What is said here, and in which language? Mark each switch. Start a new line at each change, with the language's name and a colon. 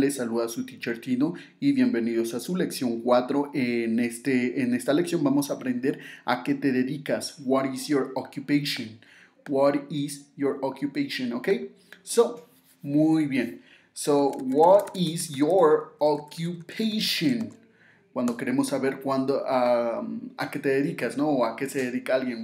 Spanish: Les saluda su teacher Tino y bienvenidos a su lección 4. En esta lección vamos a aprender a qué te dedicas.
English: What is your occupation? What is your occupation? Ok, so,
Spanish: muy bien.
English: So, what is your occupation?
Spanish: Cuando queremos saber a qué te dedicas, ¿no? O a qué se dedica alguien.